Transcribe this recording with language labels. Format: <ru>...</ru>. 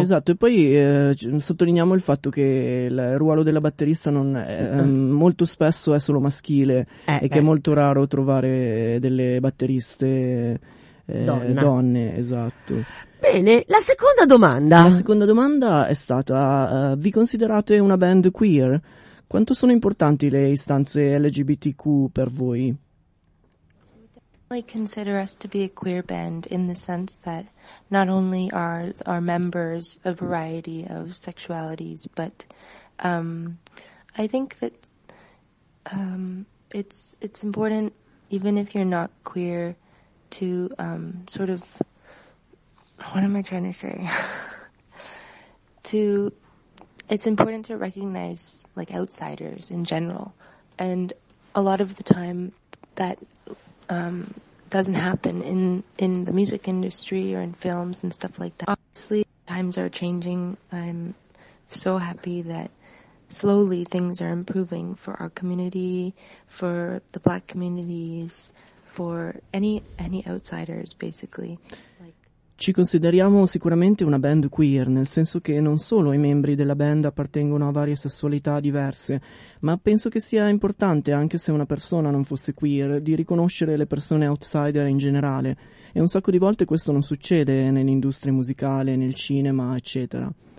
<it>Esatto, e poi sottolineiamo il fatto che il ruolo della batterista non è, molto spesso è solo maschile che è molto raro trovare delle batteriste donne, esatto. Bene, la seconda domanda. La seconda domanda è stata: vi considerate una band queer? Quanto sono importanti le istanze LGBTQ per voi?</it> <en>I consider us to be a queer band in the sense that not only are our members a variety of sexualities, but I think that it's important, even if you're not queer, to sort of, what am I trying to say? It's important to recognize, like, outsiders in general. And a lot of the time that doesn't happen in the music industry or in films and stuff like that. Obviously, times are changing. I'm so happy that slowly things are improving for our community, for the Black communities, for any outsiders, basically.</en> <it>Ci consideriamo sicuramente una band queer, nel senso che non solo i membri della band appartengono a varie sessualità diverse, ma penso che sia importante, anche se una persona non fosse queer, di riconoscere le persone outsider in generale. E un sacco di volte questo non succede nell'industria musicale, nel cinema, eccetera.</it>